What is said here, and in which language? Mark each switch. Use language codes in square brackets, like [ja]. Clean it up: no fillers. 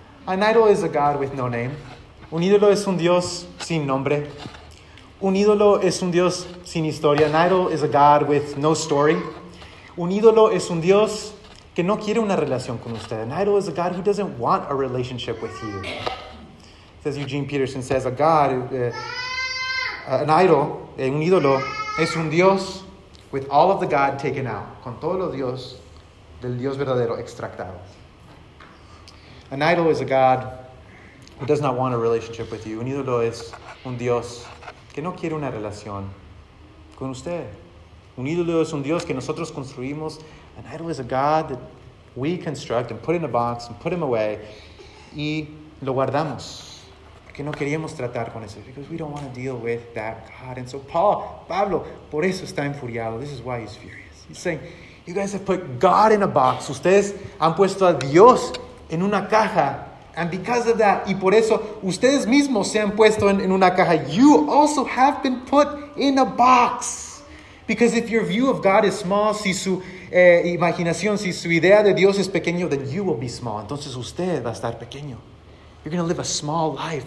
[en] An idol is a God with no name. [es] Un ídolo es un Dios sin nombre. Un ídolo es un Dios sin historia. [en] An idol is a God with no story. [es] Un ídolo es un Dios que no quiere una relación con usted. [en] An idol is a God who doesn't want a relationship with you. Says Eugene Peterson, says a God, an idol, [es] un ídolo, es un Dios [en] with all of the God taken out. [es] Con todo lo Dios, del Dios verdadero extractado. [en] An idol is a God who does not want a relationship with you. [es] Un ídolo es un Dios que no quiere una relación con usted. Un ídolo es un Dios que nosotros construimos. [en] An idol is a God that we construct and put in a box and put him away. [es] Y lo guardamos. Porque no queríamos tratar con eso. [en] Because we don't want to deal with that God. And so Pablo, [es] por eso está enfuriado. [en] This is why he's furious. He's saying, you guys have put God in a box. [es] Ustedes han puesto a Dios en una caja. [en] And because of that, [es] y por eso, ustedes mismos se han puesto en una caja. [en] You also have been put in a box. Because if your view of God is small, [es] si su imaginación, si su idea de Dios es pequeño, [en] then you will be small. [es] Entonces usted va a estar pequeño. [en] You're going to live a small life.